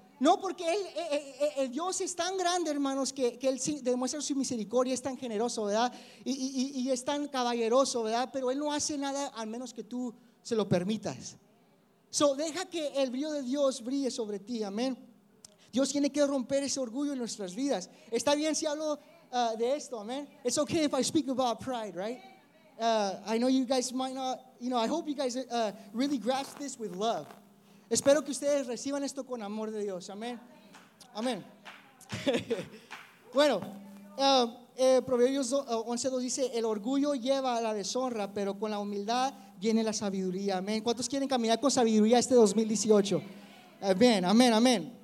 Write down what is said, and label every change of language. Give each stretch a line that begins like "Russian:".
Spanish: No, porque el Dios es tan grande, hermanos, que Él demuestra su misericordia, es tan generoso, ¿verdad? Y es tan caballeroso, ¿verdad? Pero Él no hace nada al menos que tú se lo permitas. So, deja que el brillo de Dios brille sobre ti, amén. Dios tiene que romper ese orgullo en nuestras vidas. Está bien si hablo de esto, amén.
English: It's okay if I speak about pride, right? I know you guys might not, you know, I hope you guys really grasp this with love.
Spanish: Espero que ustedes reciban esto con amor de Dios. Amén. Amén. Bueno, Proverbios 11:2 dice, el orgullo lleva a la deshonra, pero con la humildad viene la sabiduría. Amén. ¿Cuántos quieren caminar con sabiduría este 2018? Bien, amén, amén.